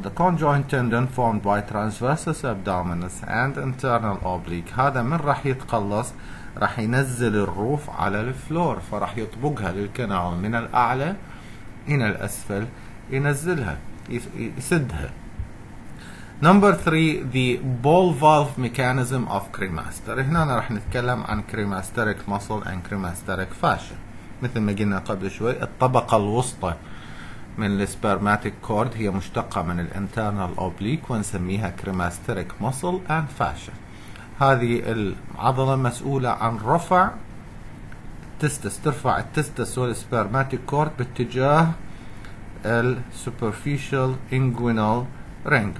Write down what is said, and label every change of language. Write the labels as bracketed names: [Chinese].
[English] The conjoint tendon formed by transversus abdominis and internal oblique. [Arabic] هذا من راح يتقلص؟ راح ينزل الروف على الفلور، فراح يطبقها للكنال من الأعلى إلى الأسفل، ينزلها يسدها. [English] Number three, the ball valve mechanism of cremaster. [Arabic] هنا أنا راح نتكلم عن [English] cremasteric muscle and cremasteric fascia. [Arabic] مثل ما قلنا قبل شوي، الطبقة الوسطى من السبرماتيك كورد هي مشتقة من الانترنال اوبليك ونسميها كريماستيريك موسل اند فاشا. هذه العضلة مسؤولة عن رفع التستس، ترفع التستس والسبرماتيك كورد باتجاه السوبرفيشال انجوينال رينج.